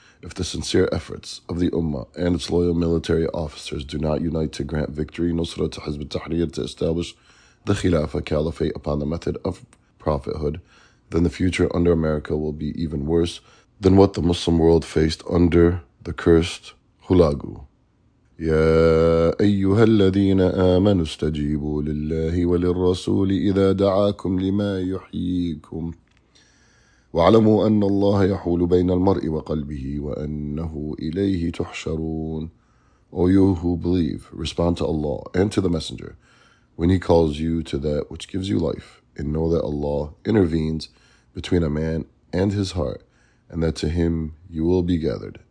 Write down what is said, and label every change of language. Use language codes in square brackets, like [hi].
[en] If the sincere efforts of the Ummah and its loyal military officers do not unite to grant victory, Nusra to Hizb ut-Tahrir to establish the Khilafah Caliphate upon the method of prophethood, then the future under America will be even worse than what the Muslim world faced under the cursed Hulagu. [ar] يا أيها الذين آمنوا استجيبوا لله وللرسول إذا دعاكم لما يحييكم واعلموا أن الله يحول بين المرء وقلبه وأنه إليه تحشرون. [en] O you who believe, respond to Allah and to the Messenger when he calls you to that which gives you life, and know that Allah intervenes between a man and his heart, and that to him you will be gathered.